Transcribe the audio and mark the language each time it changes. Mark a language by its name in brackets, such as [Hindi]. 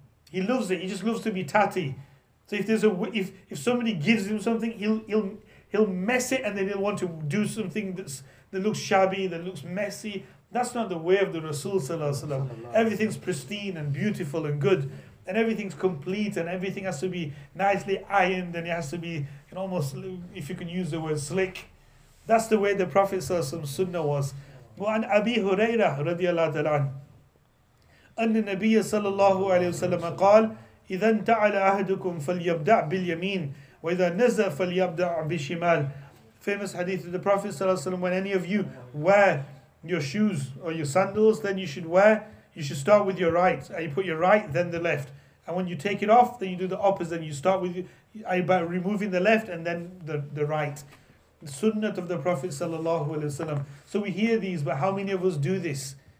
[English] He loves it. He just loves to be tatty. So if there's if somebody gives him something, he'll mess it, and then he'll want to do something that looks shabby, that looks messy. That's not the way of the Rasul sallallahu alaihi wasallam. Everything's pristine and beautiful and good, and everything's complete, and everything has to be nicely ironed, and it has to be, almost, if you can use the word, slick. That's the way the Prophet sallallahu alaihi wasallam sunnah was. [Arabic] وعن أبي هريرة رضي الله تعالى أن النبي صلى الله عليه وسلم قال إذا انتعل أهدكم فليبدع باليمين وإذا نزل فليبدع بشمال. [English] Famous hadith of the Prophet [Arabic] صلى الله عليه وسلم, [English] when any of you wear your shoes or your sandals, then you should start with your right, and you put your right, then the left, and when you take it off, then you do the opposite, and you start with by removing the left and then the right. Sunnah of the Prophet sallallahu alaihi wasallam. So we hear these, but how many of us do this?